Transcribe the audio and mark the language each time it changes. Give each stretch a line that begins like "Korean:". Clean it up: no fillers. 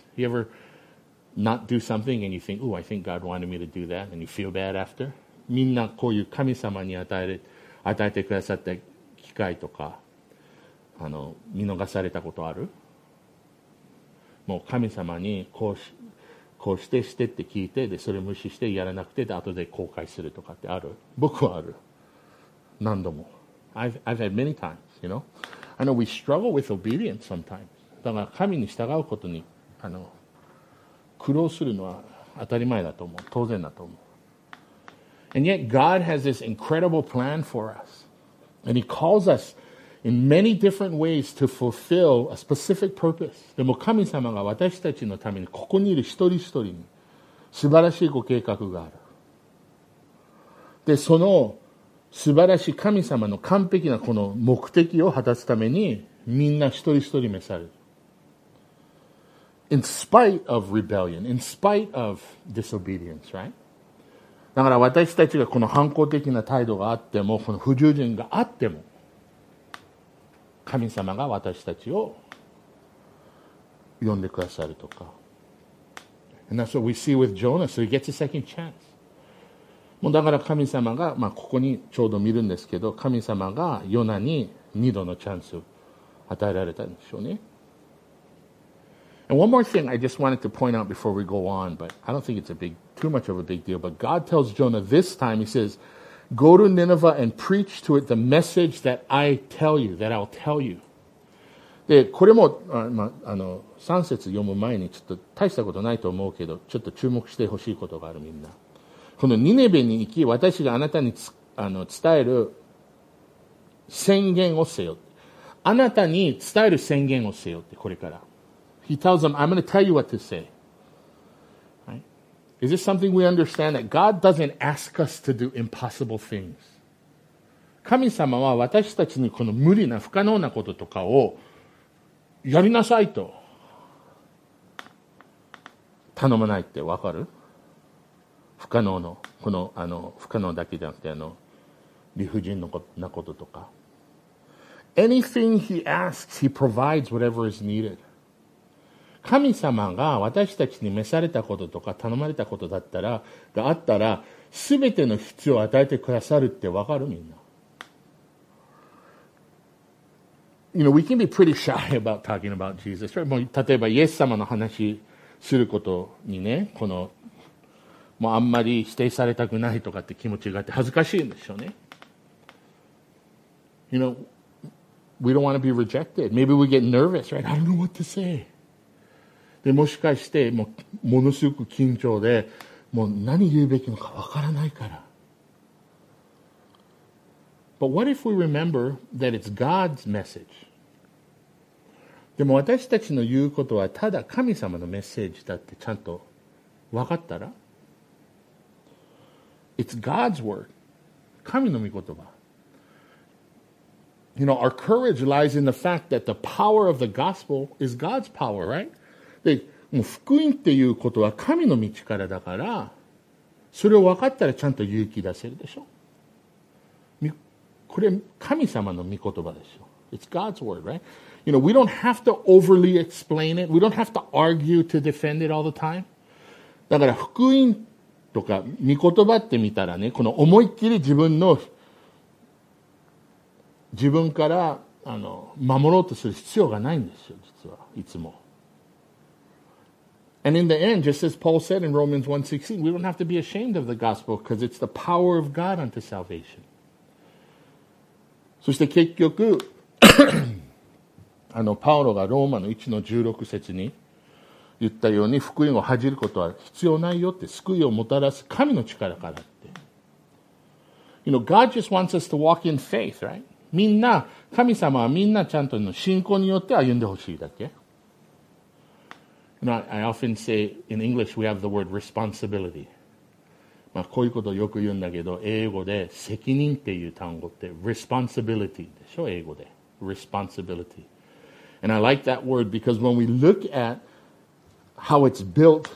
English: You ever not do something and you think, oh, I think God wanted me to do that and you feel bad after?
Japanese: みんなこういう神様に与えてくださった機会とか、あの、見逃されたことある？もう神様にこうしてしてって聞いて、で、それ無視してやらなくて、で、後で後悔するとかってある？僕はある。何度も。
English: I've had many times, you know? I know we struggle with obedience sometimes.
Japanese: だから神に従うことに、あの、苦労するのは当たり前だと思う。当然だと思う。
English: And yet God has this incredible plan for us. And he calls us in many different ways to fulfill a specific purpose.
Japanese: でも神様が私たちのためにここにいる一人一人に素晴らしいご計画がある。で、その素晴らしい神様の完璧なこの目的を果たすためにみんな一人一人召される。
English: In spite of rebellion, in spite of disobedience, right?
Japanese: だから私たちがこの反抗的な態度があっても、この不従順があっても、神様が私たちを呼んでくださるとか。
English: And that's what we see with Jonah, so he gets a second chance.
Japanese: もうだから神様が、まあここにちょうど見るんですけど、神様がヨナに二度のチャンスを与えられたんでしょうね。
English: And one more thing I just wanted to point out before we go on, but I don't think it's too much of a big deal, but God tells Jonah this time, he says, go to Nineveh and preach to it the message that I tell you, that I'll tell you.
Japanese: で、これも、3節読む前にちょっと大したことないと思うけど、ちょっと注目してほしいことがあるみんな。このニネベに行き、私があなたに伝える宣言をせよ。あなたに伝える宣言をせよって、これから。
English: He tells them, I'm going to tell you what to say. Right? Is this something we understand? That God doesn't ask us to do impossible things.
Japanese: 神様は私たちにこの無理な不可能なこととかをやりなさいと頼まないってわかる？不可能の、この、不可能だけじゃなくて、理不尽なこととか。
English: Anything he asks, he provides whatever is needed.
Japanese: 神様が私たちに召されたこととか頼まれたことだったら、があったら、すべての必要を与えてくださるってわかるみんな。
English: You know, we can be pretty shy about talking about Jesus, right?
Japanese: もう例えば、イエス様の話することにね、この、もうあんまり否定されたくないとかって気持ちがあって恥ずかしいんでしょうね。
English: You know, we don't want to be rejected. Maybe we get nervous, right? I don't know what to say.
Japanese: で、もしかして、もう、ものすごく緊張で、もう何言うべきのかわからないから。
English: But what if we remember that it's God's message?
Japanese: でも私たちの言うことはただ神様のメッセージだってちゃんと分かったら
English: It's God's word.
Japanese: 神の御言葉。
English: You know, our courage lies in the fact that the power of the gospel is God's power, right?
Japanese: で、もう福音っていうことは神の道からだから、それを分かったらちゃんと勇気出せるでしょ。これ神様の御言葉でしょ。
English: It's God's word, right? You know, we don't have to overly explain it. We don't have to argue to defend it all the time.
Japanese: だから福音とか御言葉って見たらね、この思いっきり自分から守ろうとする必要がないんですよ、実はいつも。
English: And in the end, just as Paul said in Romans 1:16, we don't have to be ashamed of the gospel because it's the power of God unto salvation.
Japanese: そして結局パウロがローマの 1-16 節に言ったように福音を恥じることは必要ないよって救いをもたらす神の力からって
English: You know, God just wants us to walk in faith, right?
Japanese: みんな神様はみんなちゃんとの信仰によって歩んでほしいだけ
English: You know, I often say in English we have the word responsibility
Japanese: まあ、こういうことをよく言うんだけど、英語で責任っていう単語って responsibility でしょ、英語で。
English: responsibility。 And I like that word because when we look at how it's built,